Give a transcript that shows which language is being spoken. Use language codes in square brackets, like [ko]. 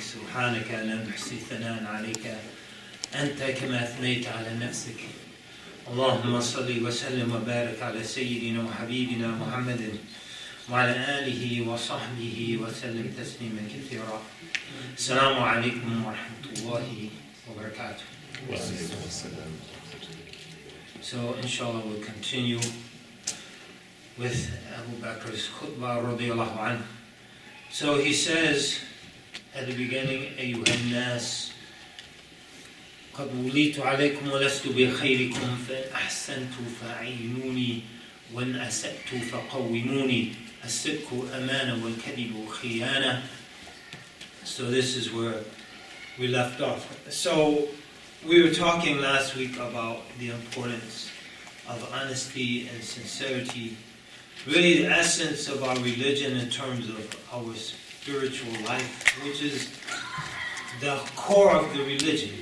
[ar] سبحانك لا نحصي ثناء عليك، أنت كما أثنيت على نفسك. اللهم صل وسلم وبارك على سيدنا وحبيبنا محمد وعلى آله وصحبه وسلم تسليما كثيرا. السلام عليكم ورحمة الله وبركاته. [en] So inshallah we'll continue with Abu Bakr's khutbah radiallahu anhu. So he says at the beginning, [ar] أيها الناس قد وليت عليكم ولست بخيركم فأحسنت فعينوني وإن أسأت فقوموني الصدق أمانة والكذب خيانة. [en] So this is where we left off. So we were talking last week about the importance of honesty and sincerity, really the essence of our religion in terms of our spiritual life, which is the core of the religion.